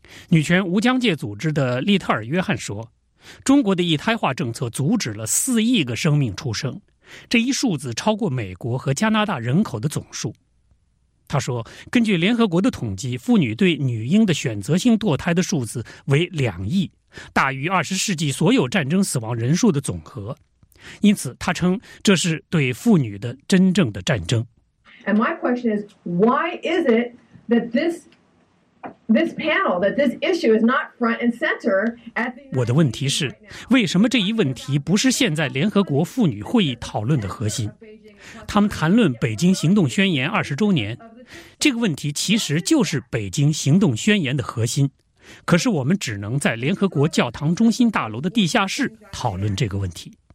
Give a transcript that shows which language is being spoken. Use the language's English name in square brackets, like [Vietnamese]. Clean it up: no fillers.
[Chinese] 女权无疆界组织的利特尔·约翰说，中国的一胎化政策阻止了4亿个生命出生，这一数字超过美国和加拿大人口的总数。他说，根据联合国的统计，妇女对女婴的选择性堕胎的数字为2亿，大于20世纪所有战争死亡人数的总和。因此他称这是对妇女的真正的战争。 [English] And my question is, why is it that this panel, that this issue is not front and center at the... [Chinese] 我的问题是，为什么这一问题不是现在联合国妇女会议讨论的核心？他们谈论北京行动宣言二十周年，这个问题其实就是北京行动宣言的核心。可是我们只能在联合国教堂中心大楼的地下室讨论这个问题。